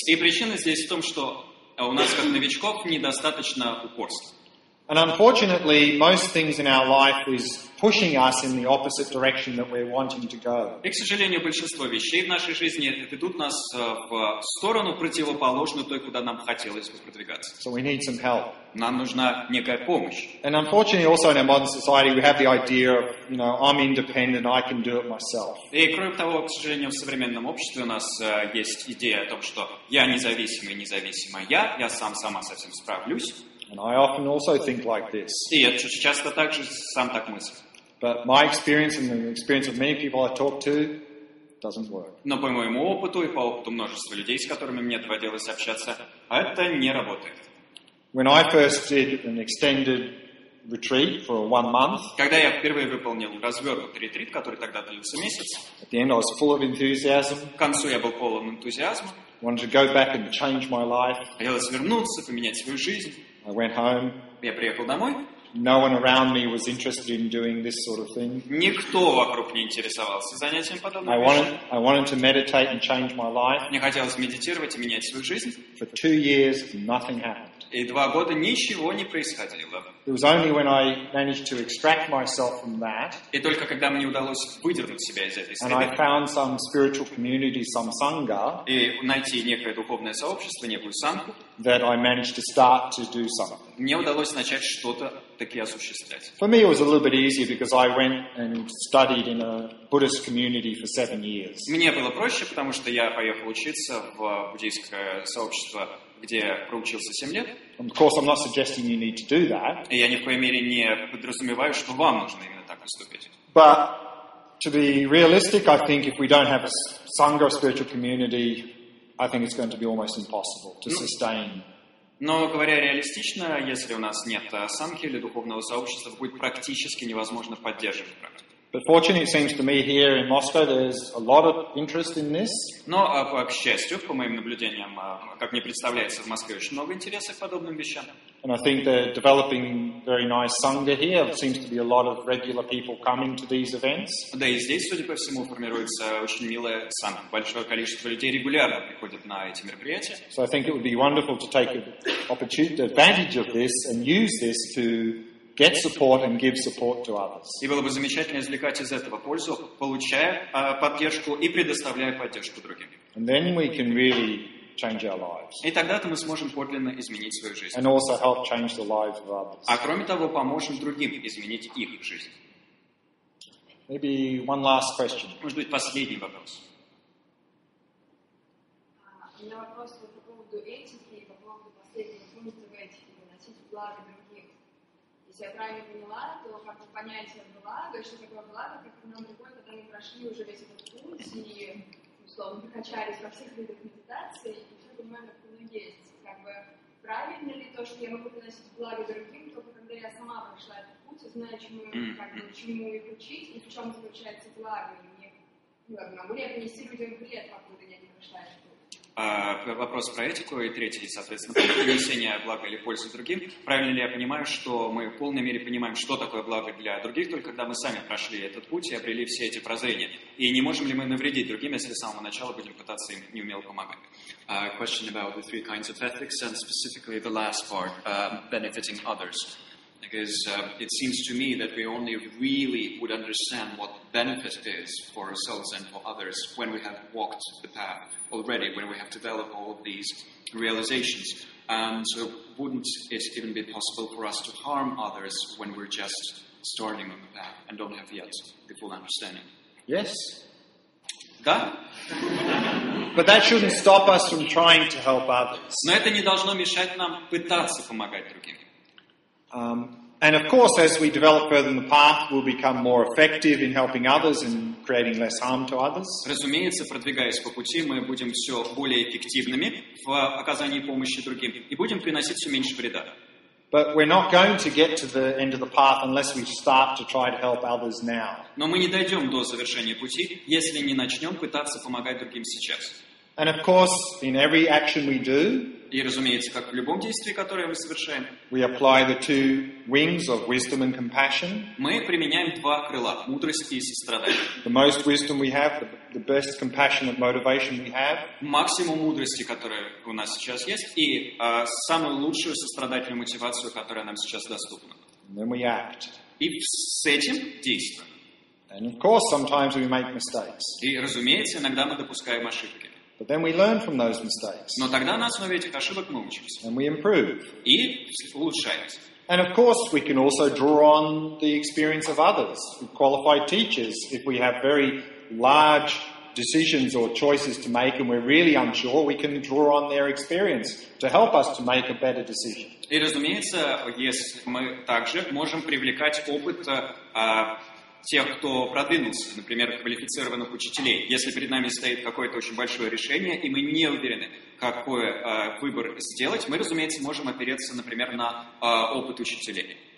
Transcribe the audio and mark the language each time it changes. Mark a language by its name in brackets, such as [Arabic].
[Russian] И причина здесь в том, что у нас как новичков недостаточно упорства. [English] And unfortunately, most things in our life is pushing us in the opposite direction that we're wanting to go. [Russian] И, к сожалению, большинство вещей в нашей жизни ведут нас в сторону противоположную той, куда нам хотелось бы продвигаться. [English] So we need some help. [Russian] Нам нужна некая помощь. [English] And unfortunately, also in our modern society, we have the idea of, you know, I'm independent, I can do it myself. [Russian] И кроме того, к сожалению, в современном обществе у нас есть идея о том, что я независимый, независимая я сам со всем справлюсь. [English] And I often also think like this. [Russian] И я часто также сам так мыслю. [English] But my experience and the experience of many people I talk to doesn't work. [Russian] Но по моему опыту и по опыту множества людей, с которыми мне доводилось общаться, это не работает. [English] When I first did an extended retreat for 1 month, [Russian] когда я впервые выполнил развернутый ретрит, который тогда длился месяц, [English] at the end I was full of enthusiasm. [Russian] К концу я был полон энтузиазма. [English] Wanted to go back and change my life. [Russian] Хотелось вернуться, поменять свою жизнь. [English] I went home. [Russian] Я приехал домой. [English] No one around me was interested in doing this sort of thing. [Russian] Никто вокруг не интересовался занятием подобным. [English] I wanted to meditate and change my life. [Russian] Мне хотелось медитировать и менять свою жизнь. [English] For 2 years, nothing happened. [Russian] И 2 года ничего не происходило. [English] It was only when I managed to extract myself from that. [Russian] И только когда мне удалось выдернуть себя из этой среды. [English] And I found some spiritual community, some sangha. [Russian] И найти некое духовное сообщество, некую сангху. [English] That I managed to start to do something. [Russian] Мне удалось начать что-то таки осуществлять. [English] For me, it was a little bit easier because I went and studied in a Buddhist community for 7 years. [Russian] Мне было проще, потому что я поехал учиться в буддийское сообщество, где проучился 7 лет. [English] And of course, I'm not suggesting you need to do that. [Russian] И я ни в коей мере не подразумеваю, что вам нужно именно так поступить. [English] But to be realistic, I think if we don't have a sangha, a spiritual community, I think it's going to be almost impossible to sustain. [Russian] Но говоря реалистично, если у нас нет сангхи или духовного сообщества, будет практически невозможно поддерживать практику. [English] But fortunately, it seems to me here in Moscow, there's a lot of interest in this. [Russian] Но, к счастью, по моим наблюдениям, как мне представляется, в Москве очень много интереса к подобным вещам. [English] And I think they're developing very nice sangha here. There seems to be a lot of regular people coming to these events. [Russian] Да, и здесь, судя по всему, формируется очень милая сангха. Большое количество людей регулярно приходят на эти мероприятия. [English] So I think it would be wonderful to take advantage of this and use this to get support and give support to others. [Russian] И было бы замечательно извлекать из этого пользу, получая поддержку и предоставляя поддержку другим. [English] And then we can really change our lives. [Russian] И тогда-то мы сможем подлинно изменить свою жизнь. [English] And also help change the lives of others. [Russian] А кроме того, поможем другим изменить их жизнь. [English] Maybe one last question. [Russian] Может быть, последний вопрос. У меня вопрос по поводу этики и по поводу последнего пункта в этике, выносить благо других. Если я правильно поняла, то как бы понятие благо, что такое благо, как нам другой, когда мы прошли уже весь этот путь и, условно, прокачались во всех видах медитации, и все понимаем, как оно есть. Как бы правильно ли то, что я могу приносить благо другим, только когда я сама прошла этот путь и знаю, чему, как бы, чему их учить и в чем заключается благо. И мне, могу ли я принести людям вред, покуда я не прошла этот путь? Вопрос про этику и третий, соответственно, принесение блага или пользы другим. Правильно ли я понимаю, что мы в полной мере понимаем, что такое благо для других, только когда мы сами прошли этот путь и обрели все эти прозрения? И не можем ли мы навредить другим, если с самого начала будем пытаться им неумело помогать? [English] Question about the three kinds of ethics and specifically the last part, benefiting others. Because it seems to me that we only really would understand what benefit is for ourselves and for others when we have walked the path already, when we have developed all of these realizations. And so wouldn't it even be possible for us to harm others when we're just starting on the path and don't have yet the full understanding? Yes. [Russian] Да? [English] But that shouldn't stop us from trying to help others. [Russian] Но это не должно мешать нам пытаться помогать другим. [English] And of course, as we develop further in the path, we'll become more effective in helping others and creating less harm to others. [Russian] Разумеется, продвигаясь по пути, мы будем все более эффективными в оказании помощи другим и будем приносить все меньше вреда. [English] But we're not going to get to the end of the path unless we start to try to help others now. [Russian] Но мы не дойдем до завершения пути, если не начнем пытаться помогать другим сейчас. [English] And of course, in every action we do, [Russian] и, разумеется, как в любом действии, которое мы совершаем, [English] we apply the two wings of wisdom and compassion. [Russian] Мы применяем два крыла – мудрость и сострадание. [English] The most wisdom we have, the best compassionate motivation we have. [Russian] Максимум мудрости, которая у нас сейчас есть, и самую лучшую сострадательную мотивацию, которая нам сейчас доступна. [English] And then we act. [Russian] И с этим действуем. [English] And of course, sometimes we make mistakes. [Russian] И, разумеется, иногда мы допускаем ошибки. [English] But then we learn from those mistakes. [Russian] Но тогда на основе этих ошибок мы учимся. [English] And we improve. [Russian] И улучшаемся. [English] And of course we can also draw on the experience of others, qualified teachers, if we have very large decisions or choices to make and we're really unsure, we can draw on their experience to help us to make a better decision. [Russian] И разумеется, если мы также можем привлекать опыт тех, кто продвинулся, например, квалифицированных учителей. Если перед нами стоит какое-то очень большое решение, и мы не уверены, какой выбор сделать, мы, разумеется, можем опереться, например, на опыт учителей.